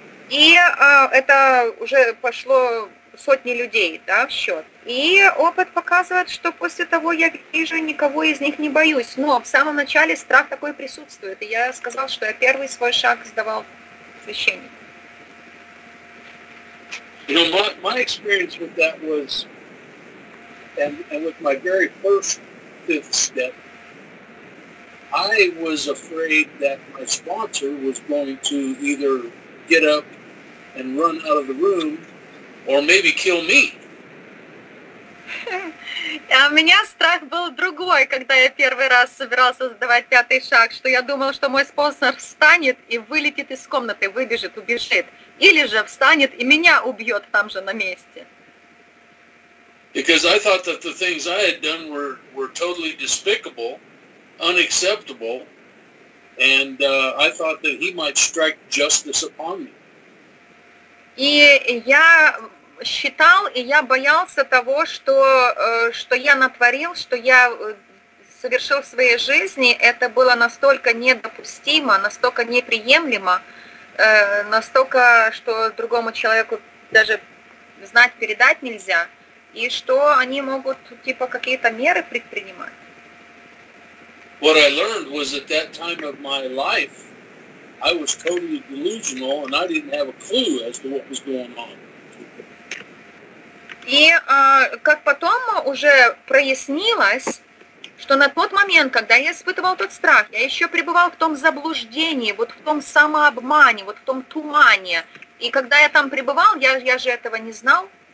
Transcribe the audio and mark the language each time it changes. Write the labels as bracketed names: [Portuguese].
[Russian] И это уже пошло сотни людей, да, в счет. И опыт показывает, что после того я вижу, никого из них не боюсь. Но в самом начале страх такой присутствует. И я сказал, что я первый свой шаг сдавал священнику. [English] You know, my experience with that was, and with my very first fifth step, I was afraid that my sponsor was going to either get up and run out of the room, or maybe kill me. [Russian] А у меня страх был другой, когда я первый раз собирался сдавать пятый шаг, что я думал, что мой спонсор встанет и вылетит из комнаты, выбежит, убежит. Или же встанет и меня убьет там же на месте. [English] Because I thought that the things I had done were totally despicable, unacceptable, and I thought that he might strike justice upon me. [Russian] И я считал, и я боялся того, что я натворил, что я совершил в своей жизни, это было настолько недопустимо, настолько неприемлемо, настолько, что другому человеку даже знать, передать нельзя, и что они могут, типа, какие-то меры предпринимать. [English] What I learned was at that time of my life, I was totally delusional, and I didn't have a clue as to what was going on. [Russian] И как потом уже прояснилось, что на тот момент, когда я испытывал тот страх, я еще пребывал в том заблуждении, вот в том самообмане, вот в том тумане. И когда я там пребывал, я же этого не знал.